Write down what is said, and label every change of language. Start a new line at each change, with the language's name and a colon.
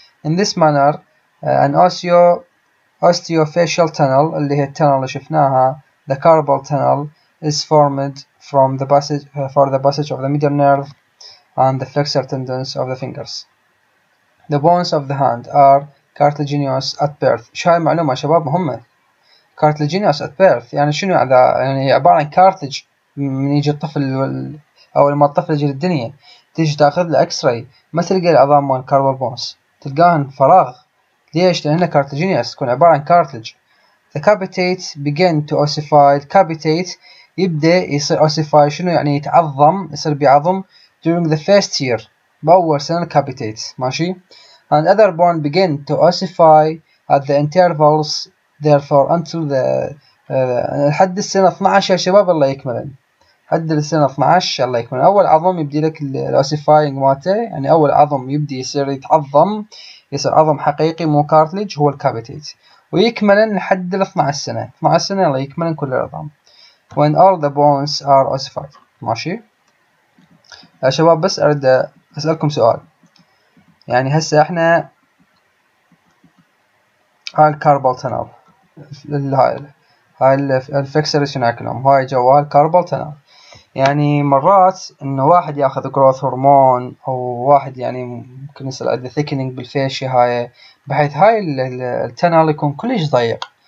English: In this manner an osteofacial tunnel
Arabic: اللي هي التنل اللي شفناها
English: the carpal tunnel is formed from the passage for the passage of the medial nerve and the flexor tendons of the fingers. The bones of the hand are cartilaginous at birth.
Arabic: شو هاي المعلومة شباب مهمة،
English: cartilaginous at birth
Arabic: يعني شنو؟ هذا يعني عبارة عن كارتج من يجي الطفل أو لما الطفل يجي للدنيا تيجي تاخذ له اكس راي، ما تلقى العظام مال كاربال بونز، تلقاهن فراغ. ليش؟ لأن cartilaginous تكون عبارة عن كارتج.
English: The capitate begin to ossify.
Arabic: capitate يبدأ يصير ossify، شنو يعني؟ يتعظم، يصير بيعظم during the first year، بأول سنة capitate.
English: ماشي، and other bone begin to ossify at the intervals therefore until the
Arabic: لحد السنة 12 يا شباب الله يكملن، حد السنة 12 الله يكملن. أول عظم يبدي لك الأوسيفاينج ماته، يعني أول عظم يبدي يصير يتعظم، يصير عظم حقيقي مو كارتليج، هو الكابيتيت، ويكملن لحد ال 12 سنة. 12 سنة الله يكملن كل العظام.
English: When all the bones are ossified.
Arabic: ماشي يا شباب، بس أريد أسألكم سؤال. يعني هسه احنا هاي الكاربال تنل، هاي الفكسر شناكلهم، هاي جوال كاربال تنل. يعني مرات انه واحد ياخذ جروث هرمون، او واحد يعني ممكن يصير عنده ثيكنينج بالفيشي، هاي بحيث هاي التنل يكون كلش ضيق.